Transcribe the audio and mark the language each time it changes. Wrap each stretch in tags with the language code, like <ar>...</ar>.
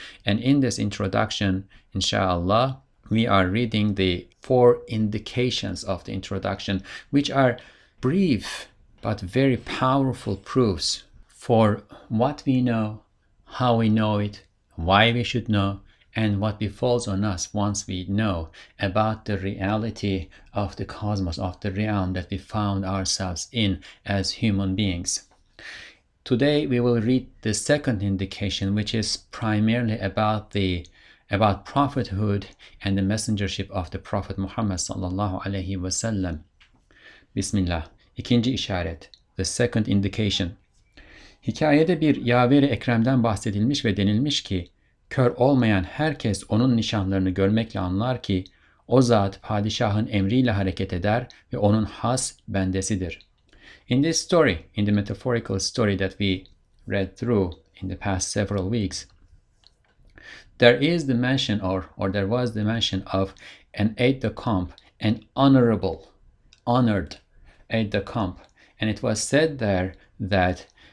<en>And in this introduction, inshallah, we are reading the four indications of the introduction, which are brief but very powerful proofs for what we know, how we know it, why we should know, and what befalls on us once we know about the reality of the cosmos, of the realm that we found ourselves in as human beings. Today we will read the second indication, which is primarily about the prophethood and the messengership of the Prophet Muhammad sallallahu alaihi wasallam. Bismillah.</en> <tr>İkinci işaret,</tr> <en>the second indication.</en> <tr>Hikayede bir yaveri ekremden bahsedilmiş ve denilmiş ki, kör olmayan herkes onun nişanlarını görmekle anlar ki, o zat padişahın emriyle hareket eder ve onun has bendesidir.</tr> <en>In this story, in the metaphorical story that we read through in the past several weeks, there is the mention or there was the mention of an aide-de-camp, an honorable, honored aide-de-camp, and it was said there that</en>